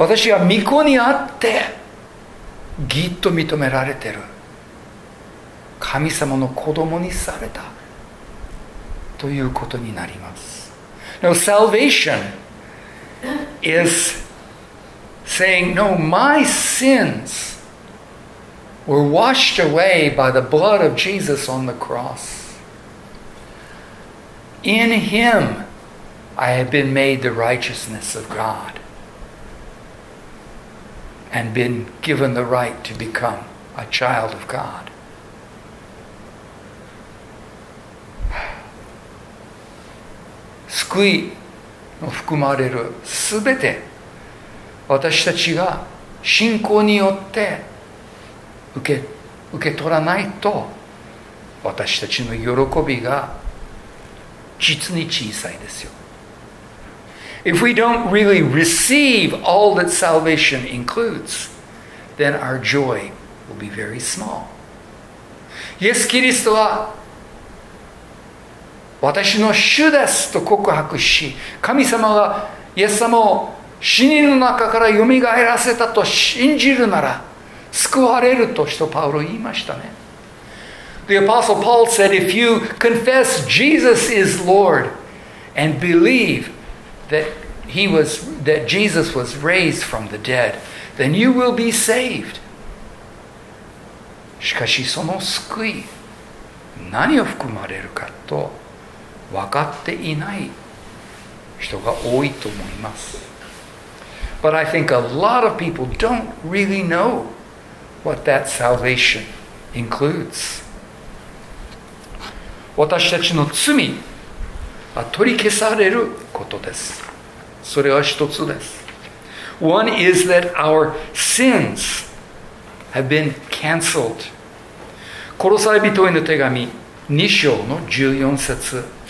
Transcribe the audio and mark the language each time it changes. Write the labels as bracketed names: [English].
[Japanese] 私は御子にあって、義と認められてる。神様の子供にされたということになります。 [English] No, salvation is saying, no, my sins were washed away by the blood of Jesus on the cross. In Him, I have been made the righteousness of God and been given the right to become a child of God. [Japanese] 救いの含まれるすべて、私たちが信仰によって受け取らないと、私たちの喜びが実に小さいですよ。 [English] If we don't really receive all that salvation includes, then our joy will be very small. [Japanese] イエス・キリストは私の主ですと告白し、神様がイエス様を死人の中からよみがえらせたと信じるなら救われると、使徒パウロ言いましたね。 [English] The Apostle Paul said, If you confess Jesus is Lord and believe that Jesus was raised from the dead, then you will be saved. [Japanese] しかしその救い何を含まれるかと分かっていない人が多いと思います。 [English] But I think a lot of people don't really know what that salvation includes. [Japanese] 私たちの罪は取り消されることです。それは一つです。 [English] One is that our sins have been cancelled. [Japanese] コロサイ人への手紙2章の14節。